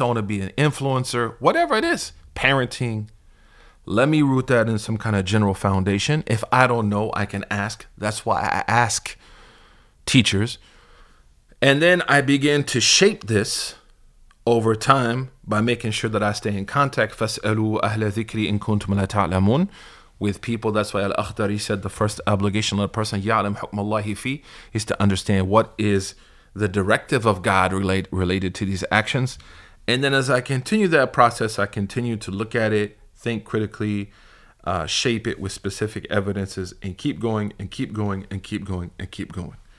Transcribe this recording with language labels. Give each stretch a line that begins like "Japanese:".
English: I want to be an influencer, whatever it is, parenting. Let me root that in some kind of general foundation. If I don't know, I can ask. That's why I ask teachers. And then I begin to shape this over time by making sure that I stay in contact.
Arabic: فَاسْأَلُوا أَهْلَ ذِكْرِ إِن كُنْتُمْ لَا تَعْلَمُونَ,
English: with people. That's why Al-Akhdari said the first obligation of a person,
Arabic: يَعْلَمْ حُكْمَ اللَّهِ فِي,
English: is to understand what is the directive of God related to these actions. And then as I continue that process, I continue to look at it, think critically, shape it with specific evidences, and keep going and keep going and keep going and keep going.